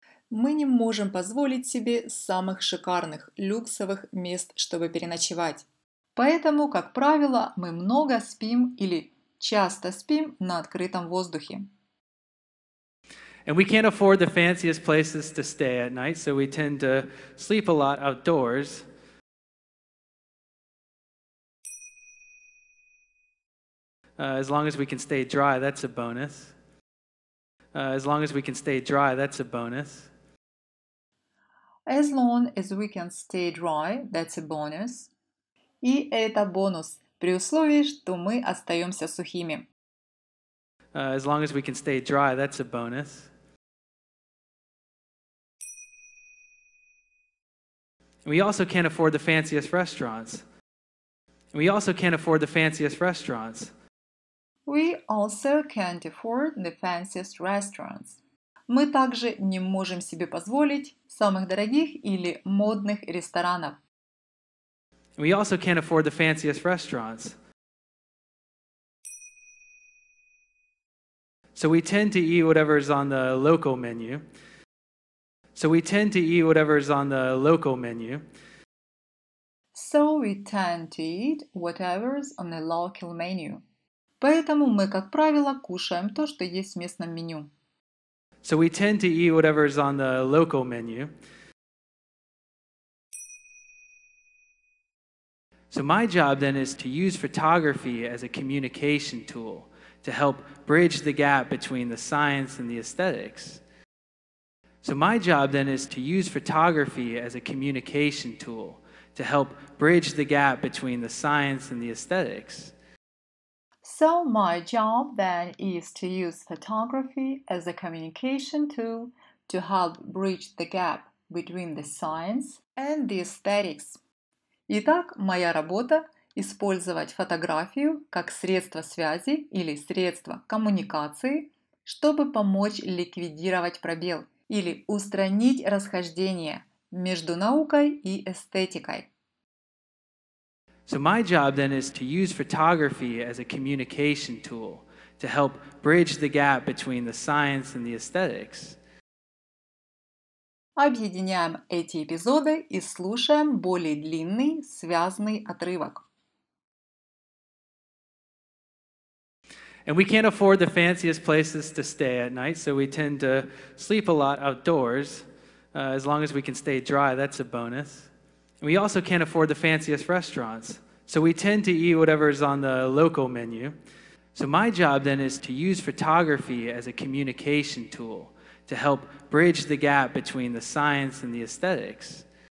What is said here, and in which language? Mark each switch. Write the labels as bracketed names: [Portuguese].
[Russian] Мы не можем позволить себе самых шикарных, люксовых мест, чтобы переночевать. Поэтому, как правило, мы много спим или часто спим на открытом воздухе. [English] And we can't afford the fanciest places to stay at night, so we tend to sleep a lot outdoors. As long as we can stay dry, that's a bonus. As long as we can stay dry, that's a bonus. As long as we can stay dry, that's a bonus. [Russian] И это бонус, при условии, что мы остаемся сухими. [English] As long as we can stay dry, that's a bonus. And We also can't afford the fanciest restaurants. We also can't afford the fanciest restaurants. We also can't afford the fanciest restaurants. [Russian] Мы также не можем себе позволить самых дорогих или модных ресторанов. [English] We also can't afford the fanciest restaurants. So we tend to eat whatever is on the local menu. So we tend to eat whatever is on the local menu. So we tend to eat whatever's on the local menu. [Russian] Поэтому мы, как правило, кушаем то, что есть в местном меню. [English] So we tend to eat whatever is on the local menu. So my job then is to use photography as a communication tool to help bridge the gap between the science and the aesthetics. So my job then is to use photography as a communication tool to help bridge the gap between the science and the aesthetics. So my job then is to use photography as a communication tool to help bridge the gap between the science and the aesthetics. [Russian] Итак, моя работа – использовать фотографию как средство связи или средство коммуникации, чтобы помочь ликвидировать пробел или устранить расхождение между наукой и эстетикой. [English] So my job then is to use photography as a communication tool to help bridge the gap between the science and the aesthetics. [Russian] Объединяем эти эпизоды и слушаем более длинный, связанный отрывок. [English] And we can't afford the fanciest places to stay at night, so we tend to sleep a lot outdoors. As long as we can stay dry, that's a bonus. We also can't afford the fanciest restaurants. So we tend to eat whatever is on the local menu. So my job then is to use photography as a communication tool to help bridge the gap between the science and the aesthetics.